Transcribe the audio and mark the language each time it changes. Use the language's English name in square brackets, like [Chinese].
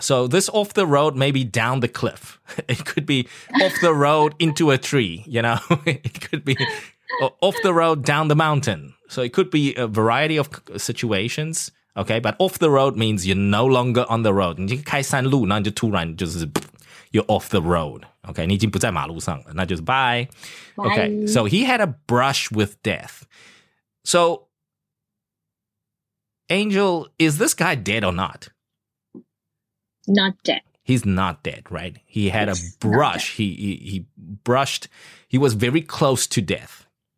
[English] So, this off the road may be down the cliff. It could be off the road into a tree, you know? It could be... off the road, down the mountain. So it could be a variety of situations, okay? But off the road means you're no longer on the road. [Chinese] 你开山路，那就突然就是 [English] you're off the road, okay? [Chinese] 你已经不在马路上了，那就是 bye. [English] Okay, so he had a brush with death. So, Angel, is this guy dead or not? Not dead. He's not dead, right? He had a brush. He brushed. He was very close to death.